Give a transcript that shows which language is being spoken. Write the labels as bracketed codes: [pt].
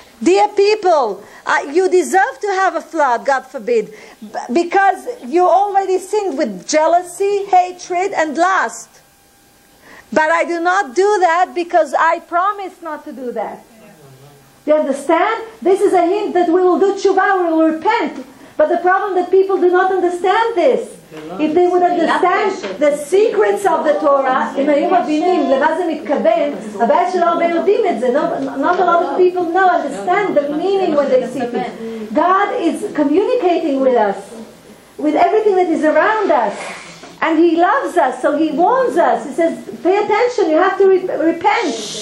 [en] Dear people, you deserve to have a flood, God forbid, because you already sinned with jealousy, hatred, and lust. But I do not do that because I promise not to do that. Do you understand? This is a hint that we will do tshuva, we will repent. But the problem is that people do not understand this. [he] אם הם יבינו את הסודות של התורה, אם הם מבינים למה זה מתכוון, הבעיה שלא הרבה יודעים את זה. [en] Not a lot of people know, understand the meaning when they see it. God is communicating with us, with everything that is around us. And he loves us, so he warns us. He says, pay attention, you have to repent.